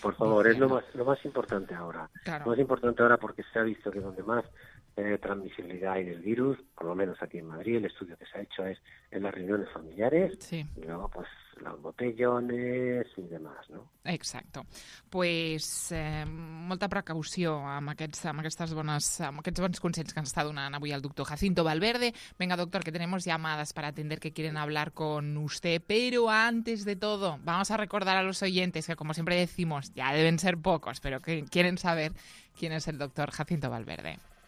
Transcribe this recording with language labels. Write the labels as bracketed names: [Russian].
[Spanish] Por favor, es lo más importante ahora. Claro. Lo más importante ahora porque se ha visto que donde más transmisibilidad hay del virus, por lo menos aquí en Madrid, el estudio que se ha hecho es en las reuniones familiares. Sí. Y luego, pues, los botellones y demás, ¿no? Exacto. [Catalan] Pues molta precaució amb aquests bons consells que ens està donant avui el doctor Jacinto Valverde. [Spanish] Venga, doctor, que tenemos llamadas para atender que quieren hablar con usted, pero antes de todo, vamos a recordar a los oyentes que, como siempre decimos, ya deben ser pocos, pero que quieren saber quién es el doctor Jacinto Valverde.